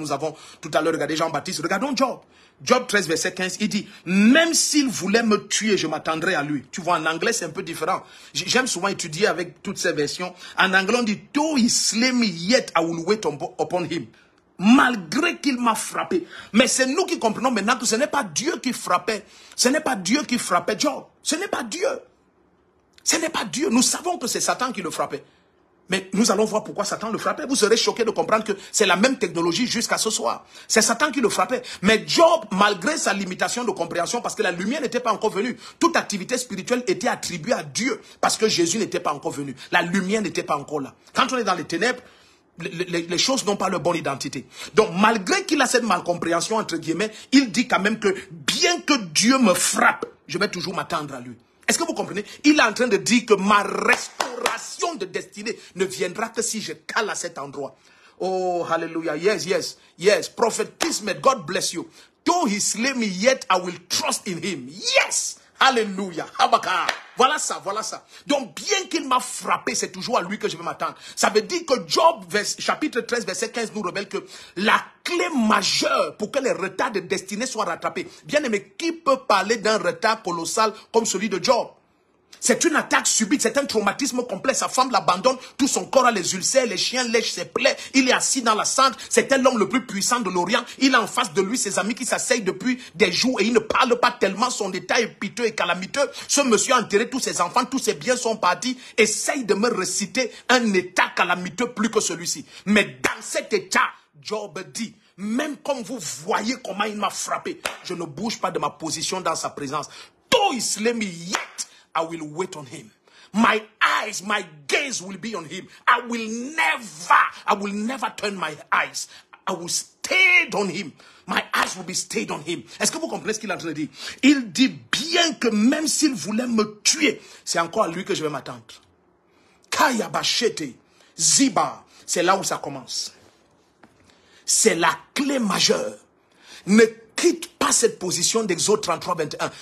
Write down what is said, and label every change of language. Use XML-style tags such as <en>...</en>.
<fr>Nous avons tout à l'heure regardé Jean-Baptiste. Regardons Job. Job 13, verset 15. Il dit, même s'il voulait me tuer, je m'attendrai à lui. Tu vois, en anglais, c'est un peu différent. J'aime souvent étudier avec toutes ces versions. En anglais, on dit,</fr> <en>though he slay me, yet I will wait upon him.</en> <fr>Malgré qu'il m'a frappé. Mais c'est nous qui comprenons maintenant que ce n'est pas Dieu qui frappait. Ce n'est pas Dieu qui frappait Job. Ce n'est pas Dieu. Ce n'est pas Dieu. Nous savons que c'est Satan qui le frappait. Mais nous allons voir pourquoi Satan le frappait. Vous serez choqués de comprendre que c'est la même technologie jusqu'à ce soir. C'est Satan qui le frappait. Mais Job, malgré sa limitation de compréhension, parce que la lumière n'était pas encore venue, toute activité spirituelle était attribuée à Dieu parce que Jésus n'était pas encore venu. La lumière n'était pas encore là. Quand on est dans les ténèbres, les choses n'ont pas leur bonne identité. Donc, malgré qu'il a cette malcompréhension, entre guillemets, il dit quand même que bien que Dieu me frappe, je vais toujours m'attendre à lui. Est-ce que vous comprenez? Il est en train de dire que ma restauration de destinée ne viendra que si je cale à cet endroit.</fr> <en>Oh, hallelujah. Yes, yes, yes. Prophétisme, God bless you. Though he slay me, yet I will trust in him.</en> <fr>Yes, hallelujah. Habakkuk. Voilà ça, voilà ça. Donc, bien qu'il m'a frappé, c'est toujours à lui que je vais m'attendre. Ça veut dire que Job, chapitre 13, verset 15, nous révèle que la clé majeure pour que les retards de destinée soient rattrapés. Bien-aimé, qui peut parler d'un retard colossal comme celui de Job? C'est une attaque subite, c'est un traumatisme complet. Sa femme l'abandonne, tout son corps a les ulcères, les chiens lèchent ses plaies. Il est assis dans la cendre, c'était l'homme le plus puissant de l'Orient. Il a en face de lui ses amis qui s'asseyent depuis des jours et il ne parle pas tellement son état est piteux et calamiteux. Ce monsieur a enterré tous ses enfants, tous ses biens sont partis. Essaye de me réciter un état calamiteux plus que celui-ci. Mais dans cet état, Job dit, même comme vous voyez comment il m'a frappé, je ne bouge pas de ma position dans sa présence. « Toi, il se l'est mis yet !»</fr> <en>I will wait on him. My eyes, my gaze will be on him. I will never turn my eyes. I will stay on him. My eyes will be stayed on him.</en> <fr>Est-ce que vous comprenez ce qu'il a entendu dire? Il dit bien que même s'il voulait me tuer, c'est encore à lui que je vais m'attendre. Kayabashete, Ziba, c'est là où ça commence. C'est la clé majeure. Ne quitte pas cette position d'Exode 33-21.</fr>